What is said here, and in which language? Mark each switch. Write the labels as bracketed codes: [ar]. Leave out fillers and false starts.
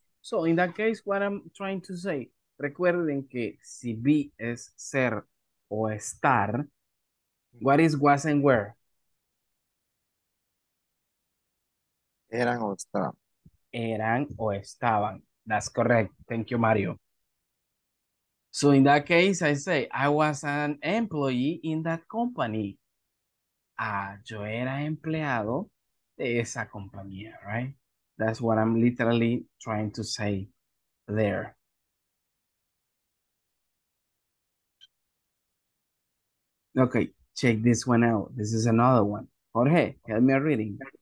[en] So in that case, what I'm trying to say, [es] recuerden que si be es ser o estar, [en] what is was and where? [es] Eran o estaban. Eran o estaban. [en] That's correct. Thank you, Mario. So in that case, I say, I was an employee in that company. [es] Ah, yo era empleado de esa compañía, right? [en] That's what I'm literally trying to say there. Okay, check this one out. This is another one. Jorge, help me reading.